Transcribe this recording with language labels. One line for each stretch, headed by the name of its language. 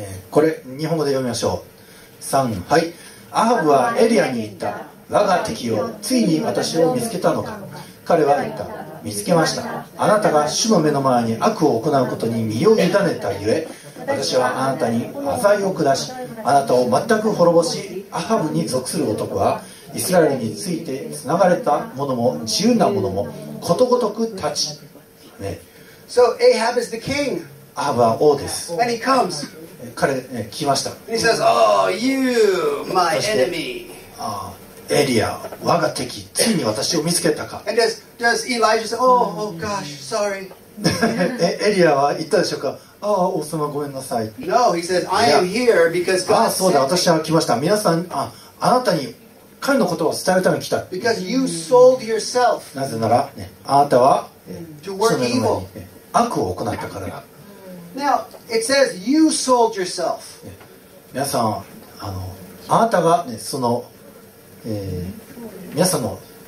Japanese: これ日本語で読みましょう。三はい。アハブはエリアに言った我が敵をついに私を見つけたのか彼は言った見つけましたあなたが主の目の前に悪を行うことに身を委ねたゆえ私はあなたに災いを下しあなたを全く滅ぼしアハブに属する男はイスラエルについてつながれた者も自由な者もことごとく立ち、ね、
English: So Ahab is the king.
Japanese: アハブは王です
English: And he comes.
Japanese: 彼、ね、聞きました。
English: He says, "Oh, you, my enemy."
Japanese: エリア、我が敵、ついに私を見つけたか。
English: And does Elijah say, "Oh, oh gosh, sorry."
Japanese: エリアは言ったでしょうか。ああ、王様ごめんなさい。
English: No, he says, "I am here because God."
Japanese: ああ、そうだ、私は来ました。皆さん、あなたに彼の言葉を伝えるために来た。
English: Because you sold yourself.
Japanese: なぜなら、ね、あなたは、
English: to work evil.
Japanese: 悪を行ったからだ。
English: Now, it says you sold yourself.
Japanese: 皆さん、あなたが、ね、その、皆さんの